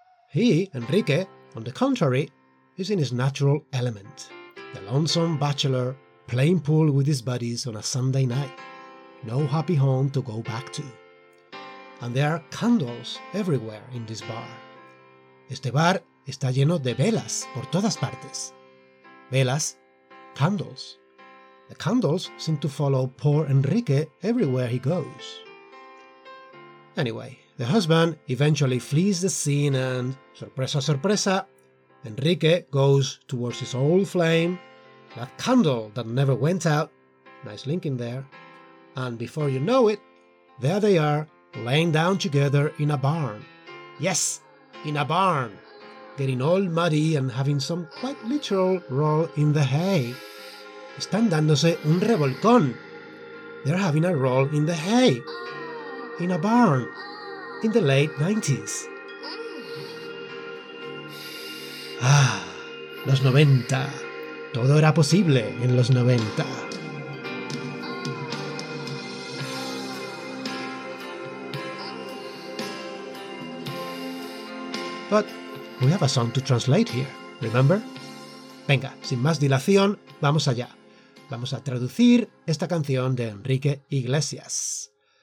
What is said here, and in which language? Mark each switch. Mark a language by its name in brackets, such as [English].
[English] He, Enrique, on the contrary, is in his natural element. The lonesome bachelor, playing pool with his buddies on a Sunday night. No happy home to go back to. And there are candles everywhere in this bar. [Spanish] Este bar está lleno de velas por todas partes. Velas, candles. [English] The candles seem to follow poor Enrique everywhere he goes. Anyway, the husband eventually flees the scene and, [Spanish] sorpresa, sorpresa, [English] Enrique goes towards his old flame, that candle that never went out, nice link in there, and before you know it, there they are, laying down together in a barn. Yes, in a barn, getting all muddy and having some quite literal roll in the hay. [Spanish] Están dándose un revolcón. [English] They're having a roll in the hay. In a barn. In the late 90s. [Spanish] Ah, los 90. Todo era posible en los 90. [English] But we have a song to translate here, remember? [Spanish] Venga, sin más dilación, vamos allá. Vamos a traducir esta canción de Enrique Iglesias.